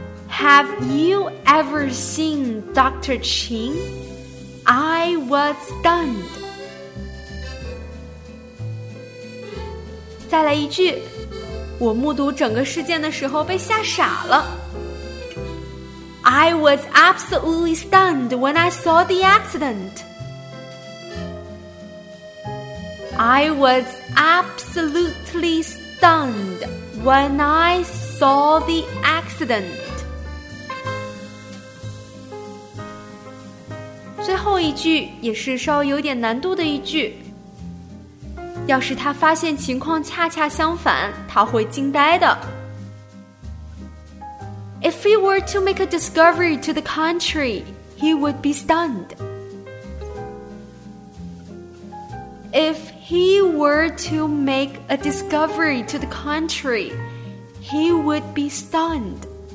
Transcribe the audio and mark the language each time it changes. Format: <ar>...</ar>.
<en>Have you ever seen Dr. Qin? I was stunned.</en> <zh>再来一句，我目睹整个事件的时候被吓傻了。</zh> <en>I was absolutely stunned when I saw the accident. I was absolutely stunned when I saw the accident.</en> <zh>最后一句也是稍微有点难度的一句。要是他发现情况恰恰相反，他会惊呆的。</zh> <en>If he were to make a discovery to the contrary, he would be stunned. If he were to make a discovery to the contrary, he would be stunned.</en>